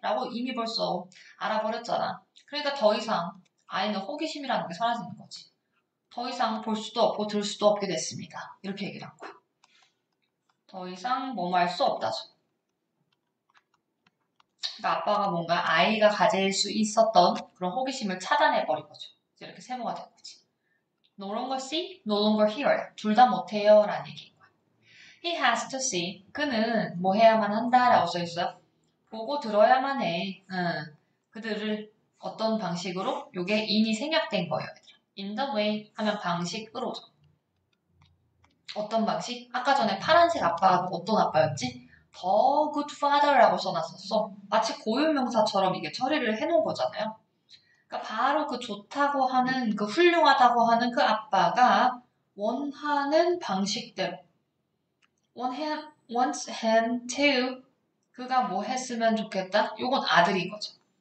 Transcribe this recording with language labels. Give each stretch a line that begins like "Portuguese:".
Korean: 라고 이미 벌써 알아버렸잖아. 그러니까 더 이상 아이는 호기심이라는 게 사라지는 거지. 더 이상 볼 수도 없고 들 수도 없게 됐습니다. 이렇게 얘기를 한 거야. 더 이상 뭐뭐 할수 없다죠. 그러니까 아빠가 뭔가 아이가 가질 수 있었던 그런 호기심을 차단해 버린 거죠. 이렇게 세모가 된 거지.
English: No longer see, no longer hear.
Korean: 둘다 못해요. 라는 얘기인 거야.
English: He has to see.
Korean: 그는 뭐 해야만 한다. 라고 써 있어요. 보고 들어야만 해. 그들을 어떤 방식으로? 요게 인이 생략된 거예요. 얘들아.
English: In the way
Korean: 하면 방식으로죠. 어떤 방식? 아까 전에 파란색 아빠가 어떤 아빠였지?
English: The good father라고
Korean: 써놨었어. 마치 고유명사처럼 이게 처리를 해놓은 거잖아요. 바로 그 좋다고 하는, 그 훌륭하다고 하는 그 아빠가 원하는 방식대로.
English: wants him to.
Korean: 그가 뭐 했으면 좋겠다? 요건 아들인 거죠.